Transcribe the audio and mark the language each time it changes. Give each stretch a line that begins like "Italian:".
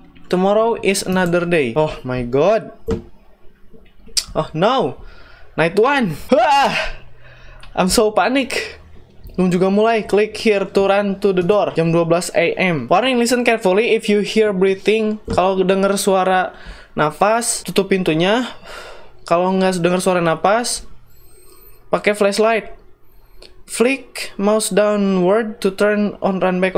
English: Tomorrow is another day. Oh my god. Oh no. Night one. Wah. I'm so panic.
Indonesian: Belum juga mulai.
English: Click here to run to the door. Jam 12 AM. Warning, listen carefully if you hear breathing.
Indonesian: Kalau dengar suara nafas, tutup pintunya. Kalau nggak dengar suara nafas, pakai flashlight.
English: Flick mouse downward to turn on run back.